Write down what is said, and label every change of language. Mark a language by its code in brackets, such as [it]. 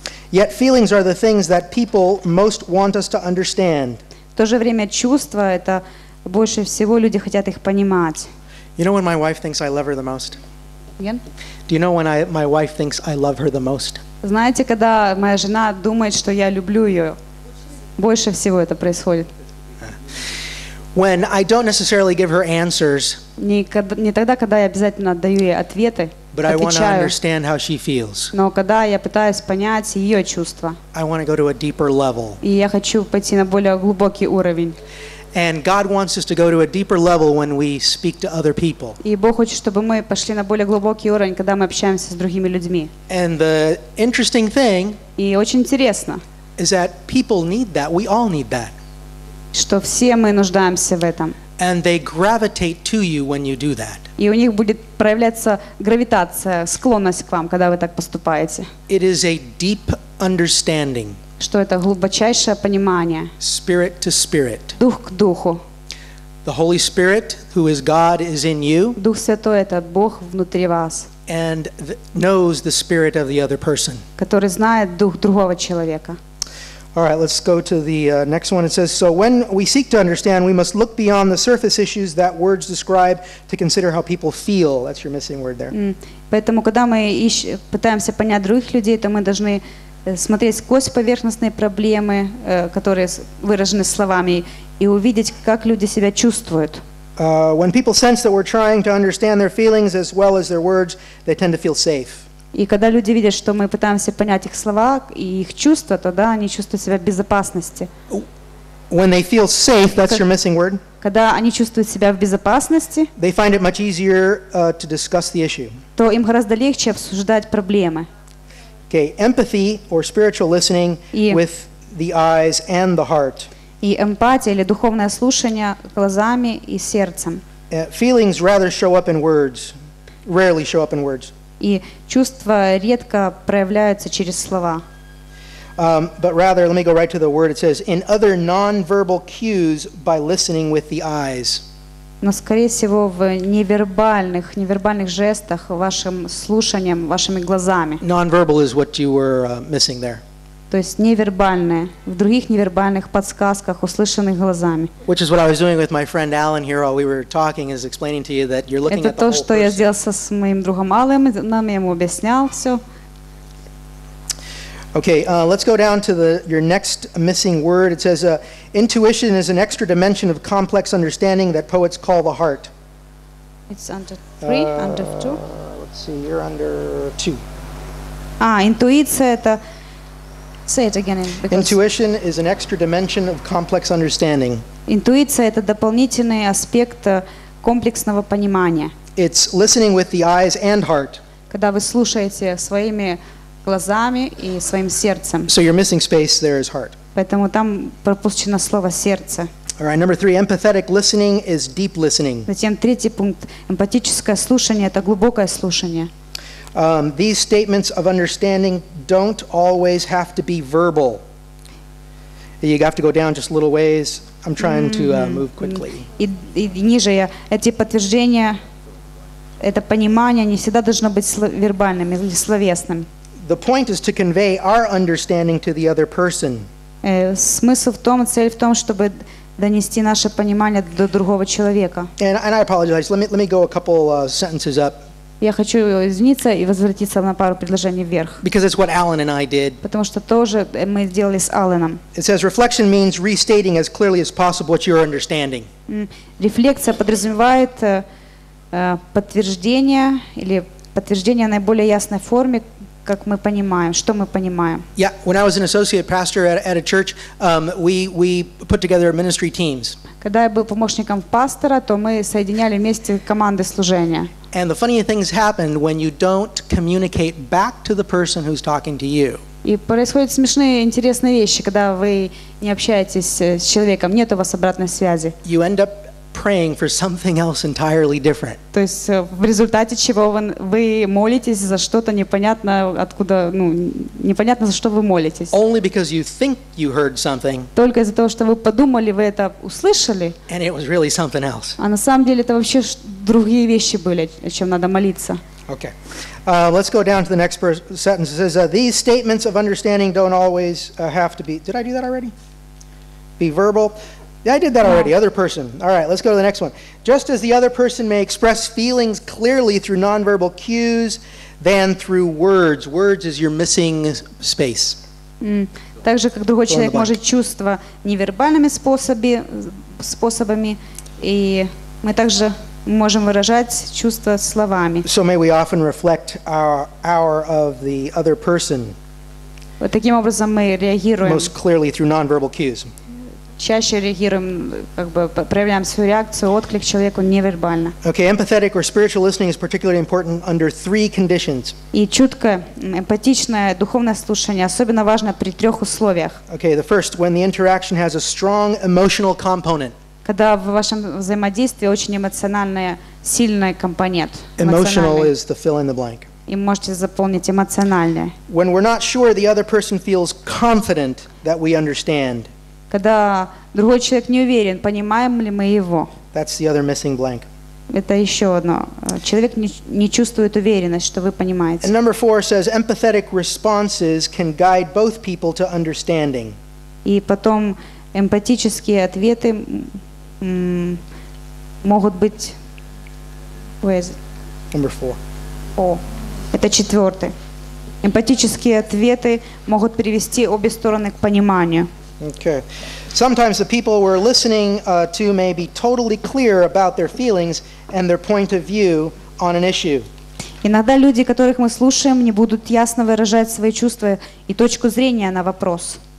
[en] Yet feelings are the things that people most want us to understand. [ru] В то же время чувства это больше всего люди хотят их понимать. [en] You know when my wife thinks I love her the most? Again? Do you know when my wife thinks I love her the most? [ru] Знаете, когда моя жена думает, что я люблю ее? Больше всего это происходит. [en] When I don't necessarily give her answers. [ru] Не тогда, когда я обязательно отдаю ей ответы. [en] But I want to understand how she feels. [ru] Но когда я пытаюсь понять ее чувства. [en] I want to go to a deeper level. [ru] И я хочу пойти на более глубокий уровень. [en] And God wants us to go to a deeper level when we speak to other people. [ru] И Бог хочет, чтобы мы пошли на более глубокий уровень, когда мы общаемся с другими людьми. [en] And the interesting thing. [ru] И очень интересно. [en] Is that people need that? We all need that. [ru] Что все мы нуждаемся в этом. [en] And they gravitate to you when you do that. [ru] И у них будет проявляться гравитация, склонность к вам, когда вы так поступаете. [en] It is a deep understanding. [ru] Что это глубочайшее понимание. [en] Spirit to spirit. [ru] Дух к духу. [en] The Holy Spirit, who is God, is in you. [ru] Дух Святой — это Бог внутри вас. [en] And knows the spirit of the other person. [ru] Который знает дух другого человека. [en] All right, let's go to the next one. It says, so when we seek to understand, we must look beyond the surface issues that words describe to consider how people feel. That's your missing word there. [ru] Поэтому, когда мы пытаемся понять других людей, то мы должны смотреть сквозь поверхностные проблемы, которые выражены словами, и увидеть, как люди себя чувствуют. [en] When people sense that we're trying to understand their feelings as well as their words, they tend to feel safe. [ru] И когда люди видят, что мы пытаемся понять их слова и их чувства, тогда они чувствуют себя в безопасности. [en] When they feel safe, that's your missing word. [ru] Когда они чувствуют себя в безопасности, [en] they find it much easier, to discuss the issue. [ru] То им гораздо легче обсуждать проблемы. [en] Okay, empathy or spiritual listening with the eyes and the heart. [ru] И эмпатия или духовное слушание глазами и сердцем. [en] Feelings rather show up in words, rarely show up in words. [ru] И чувства редко проявляются через слова. [en] But rather, let me go right to the word. It says, in other non-verbal cues by listening with the eyes. [ru] Но, скорее всего, в невербальных жестах, вашим слушанием, вашими глазами. [en] Non-verbal is what you were missing there. [ru] То есть невербальное, в других невербальных подсказках, услышанных глазами. [en] Which is what I was doing with my friend Alan here while we were talking, is explaining to you that you're looking at the whole person. [ru] Это то, что я сделал с моим другом Аллом, нам я ему объяснял все. [en] Okay, let's go down to your next missing word. It says, intuition is an extra dimension of complex understanding that poets call the heart. It's under three, under two. Let's see, you're under two. [ru] Интуиция — это... [en] Say it again. Intuition is an extra dimension of complex understanding. [ru] Интуиция — это дополнительный аспект комплексного понимания. [en] It's listening with the eyes and heart. [ru] Когда вы слушаете своими глазами и своим сердцем. [en] So your missing space there is heart. [ru] Поэтому там пропущено слово сердце. [en] All right, number three, empathetic listening is deep listening. [ru] Затем третий пункт: эмпатическое слушание — это глубокое слушание. [en] These statements of understanding don't always have to be verbal. you have to go down just a little ways. I'm trying to move quickly. [ru] И ниже я эти подтверждения, это понимание, они всегда должны быть вербальными или словесными. [en] The point is to convey our understanding to the other person. [ru] Смысл в том, цель в том, чтобы донести наше понимание до другого человека. [en] And I apologize. Let me go a couple sentences up. [ru] Я хочу извиниться и возвратиться на пару предложений вверх. [en] Because it's what Alan and I did. [ru] Потому что тоже мы сделали с Аланом. [en] It says reflection means restating as clearly as possible what you're understanding. [ru] Рефлексия подразумевает подтверждение или подтверждение наиболее ясной форме, как мы понимаем, что мы понимаем. [en] Yeah, when I was an associate pastor at a church, we put together ministry teams. [ru] Когда я был помощником пастора, то мы соединяли вместе команды служения. [en] And the funny things happen when you don't communicate back to the person who's talking to you. [ru] И происходят смешные, интересные вещи, когда вы не общаетесь с человеком, нет у вас обратной связи. [en] You end up praying for something else entirely different. [ru] То есть в результате чего вы молитесь за что-то непонятно откуда, ну, непонятно за что вы молитесь. [en] Only because you think you heard something. [ru] Только из-за того, что вы подумали, вы это услышали. [en] And it was really something else. [ru] А на самом деле это вообще другие вещи были, о чем надо молиться. [en] Okay. Let's go down to the next sentence. It says these statements of understanding don't always have to be. Did I do that already? Be verbal. Yeah, I did that already. Other person. All right, let's go to the next one. Just as the other person may express feelings clearly through nonverbal cues than through words. Words is your missing space. [ru] Так же, как другой человек может чувства невербальными способами, и мы также можем выражать чувства словами. [en] So may we often reflect our of the other person. [ru] Вот таким образом мы реагируем. [en] Most clearly through nonverbal cues. [ru] Чаще реагируем, как бы проявляем свою реакцию, отклик человеку невербально. [en] Okay, empathetic or spiritual listening is particularly important under three conditions. [ru] И чуткое, эмпатичное, духовное слушание особенно важно при трех условиях. [en] Okay, the first, when the interaction has a strong emotional component. [ru] Когда в вашем взаимодействии очень эмоциональный, сильный компонент. [en] Emotional is the fill in the blank. [ru] И можете заполнить эмоциональное. [en] When we're not sure the other person feels confident that we understand. [ru] Когда другой человек не уверен, понимаем ли мы его. [en] That's the other missing blank. [ru] Это еще одно. Человек не чувствует уверенность, что вы понимаете. [en] And number four says, empathetic responses can guide both people to understanding. [ru] И потом эмпатические ответы могут быть... [en] Where is it? Number four. [ru] Это четвертый. Эмпатические ответы могут привести обе стороны к пониманию. [en] Okay. Sometimes the people we're listening to may be totally clear about their feelings and their point of view on an issue. [ru] Иногда люди, которых мы слушаем, не будут ясно выражать свои чувства и точку зрения на вопрос.